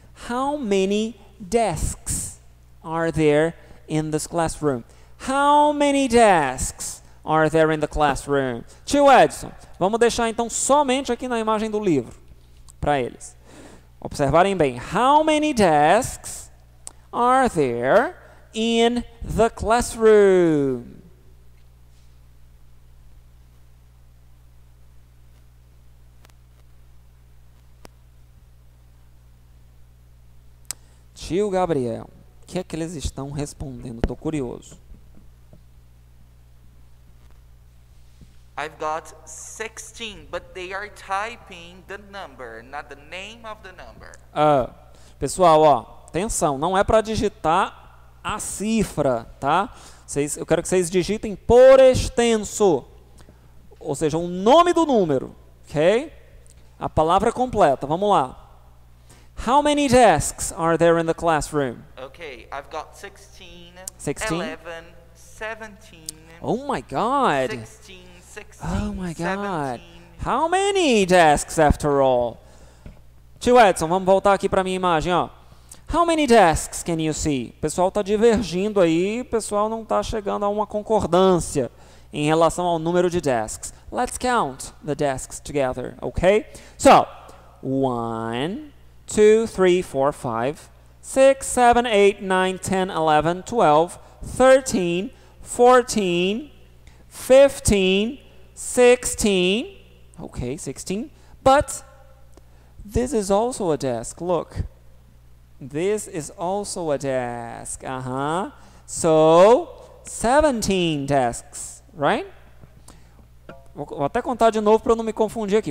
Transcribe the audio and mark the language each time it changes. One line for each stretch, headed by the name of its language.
English: How many desks are there in this classroom? How many desks are there in the classroom?
Portuguese: Tio Edson, vamos deixar então somente aqui na imagem do livro para eles observarem bem.
English: How many desks are there in the classroom?
Portuguese: Tio Gabriel, o que é que eles estão respondendo? Estou curioso.
English: I've got 16, but they are typing the number, not the name of the number. Oh,
Portuguese: Pessoal, ó, atenção, não é para digitar a cifra, tá? Vocês, eu quero que vocês digitem por extenso, ou seja, o nome do número, ok? A palavra completa, vamos lá.
English: How many desks are there in the classroom? Okay, I've got 16, 16? 11, 17. Oh my god. 16, 16, oh my god. 17. How many desks after all?
Portuguese: Tio Edson, vamos voltar aqui para minha imagem, ó.
English: How many desks can you see?
Portuguese: O pessoal está divergindo aí, o pessoal não está chegando a uma concordância em relação ao número de desks.
English: Let's count the desks together, okay? So, 1, 2, 3, 4, 5, 6, 7, 8, 9, 10, 11, 12, 13, 14, 15, 16, okay, 16, but this is also a desk, look, this is also a desk, uh-huh, so 17 desks, right?
Portuguese: Vou até contar de novo para eu não me confundir aqui.